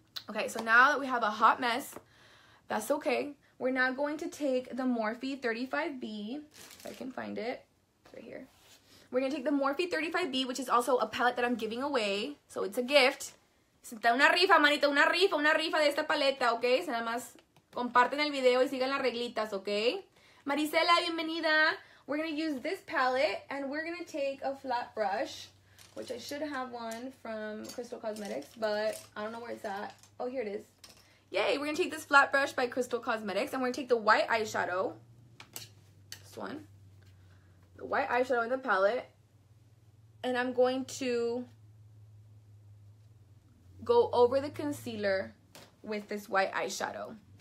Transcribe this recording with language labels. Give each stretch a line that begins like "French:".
English: Okay, so now that we have a hot mess, that's okay. We're now going to take the Morphe 35B, if I can find it, it's right here. We're gonna take the Morphe 35B, which is also a palette that I'm giving away, so it's a gift.
Spanish: Está una rifa, manita, una rifa de esta paleta, okay? Nada más comparten el video y sigan las reglitas, okay? Marisela, bienvenida.
English: We're gonna use this palette and we're gonna take a flat brush, which I should have one from Crystal Cosmetics, but I don't know where it's at. Oh, here it is. Yay, we're gonna take this flat brush by Crystal Cosmetics and we're gonna take the white eyeshadow, this one, the white eyeshadow in the palette, and I'm going to go over the concealer with this white eyeshadow.